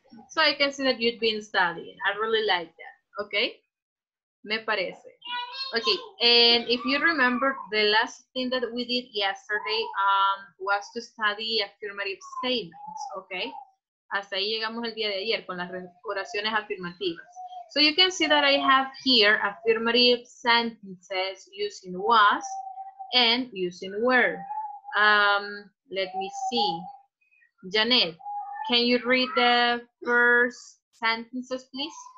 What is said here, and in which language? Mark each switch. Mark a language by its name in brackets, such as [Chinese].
[English] So I can see that you've been studying. I really like that. Okay? [Spanish] Me parece. [English] Okay, and if you remember, the last thing that we did yesterday was to study affirmative statements. Okay? [Spanish] Hasta ahí llegamos el día de ayer con las oraciones afirmativas. [English] So you can see that I have here affirmative sentences using was and using were. Let me see. Janet, can you read the first sentences, please?